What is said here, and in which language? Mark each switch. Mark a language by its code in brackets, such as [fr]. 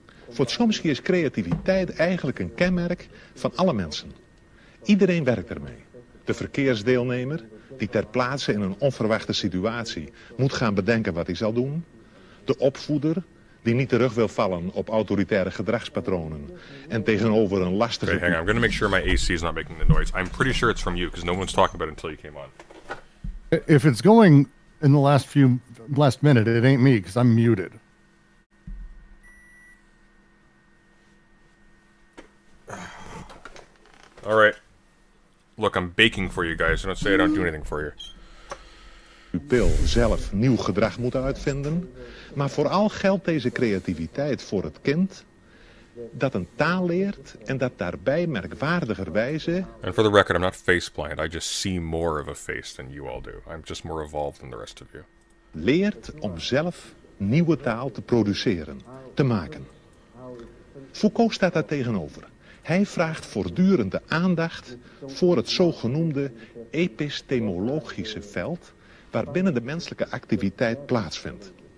[nl] Voor Chomsky is creativiteit eigenlijk een kenmerk van alle mensen. Iedereen werkt ermee. De verkeersdeelnemer, die ter plaatse in een onverwachte situatie moet gaan bedenken wat hij zal doen. De opvoeder, die niet terug wil vallen op autoritaire gedragspatronen. En tegenover een lastige... [en] Okay, hang on, I'm going to make sure my AC is not making the noise. I'm pretty sure it's from you, because no one's talking about it until you came on. If it's going in the last minute, it ain't me, because I'm muted. All right. Look, I'm baking for you guys. Don't say I don't do anything for you. [nl] Pupil zelf nieuw gedrag moet uitvinden, maar vooral geldt deze creativiteit voor het kind dat een taal leert en dat daarbij merkwaardigerwijze. [en] And for the record, I'm not faceplant. I just see more of a face than you all do. I'm just more evolved than the rest of you. [nl] Leert om zelf nieuwe taal te produceren, te maken. Foucault staat daar tegenover. Hij vraagt voortdurend de aandacht voor het zogenoemde epistemologische veld waarbinnen de menselijke activiteit plaatsvindt.